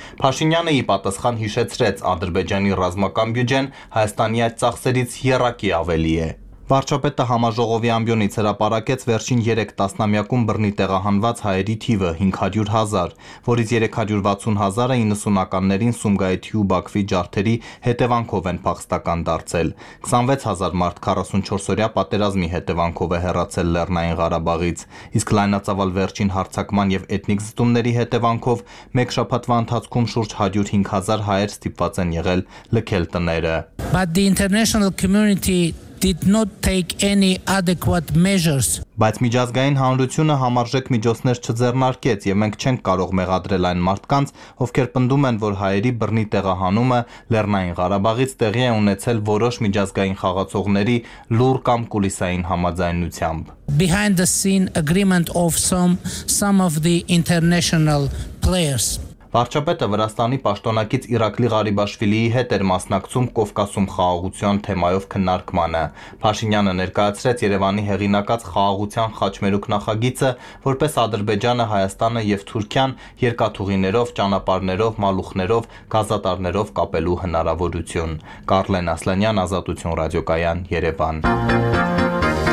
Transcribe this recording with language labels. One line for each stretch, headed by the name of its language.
Armenian: Փաշինյանը ի պատասխան հիշեցրեց, Ադրբեջանի ռազմական բյուջեն Հայաստանի այդ ծախսերից եռակի ավելի է։ Վարչապետը համաժողովի ամբյոնից հրապարակեց վերջին 3 տասնամյակում բռնի տեղահանված հայերի թիվը 500 000, որից 360 000-ը 90-ականներին Սումգայիթի ու Բաքվի ջարդերի հետևանքով են փախստական դարձել։ 26 000 մարդ 44-օրյա պատերազմի հետևանքով է հեռացել Լեռնային Ղարաբաղից, իսկ լայնածավալ վերջին հարձակման և էթնիկ զտումների հետևանքով մեկ շաբաթվա ընթացքում շուրջ 105 000 հայեր ստիպված են եղել լքել տները։
English: But the international community did not take any adequate measures.
Armenian: Բայց միջազգային համայնությունը համարժեք միջոցներ չձեռնարկեց, և մենք չենք կարող մեղադրել այն մարդկանց, ովքեր պնդում են, որ հայերի բռնի տեղահանումը Լեռնային Ղարաբաղից տեղի է ունեցել որոշ միջազգային խաղացողների լուր կամ կուլիսային համաձայնությամբ.
English: Behind the scene agreement of some of the international players.
Armenian: Վարչապետը Վրաստանի պաշտոնակից Իրակլի Ղարիբաշվիլիի հետ էր մասնակցում Կովկասում խաղաղության թեմայով քննարկմանը։ Փաշինյանը ներկայացրեց Երևանի հեղինակած խաղաղության խաչմերուկ նախագիծը, որպես Ադրբեջանը, Հայաստանը և Թուրքիան երկաթուղիներով, ճանապարհներով, մալուխներով, գազատարներով կապելու հնարավորություն։ Կարլեն Ասլանյան, Ազատություն ռադիոկայան, Երևան։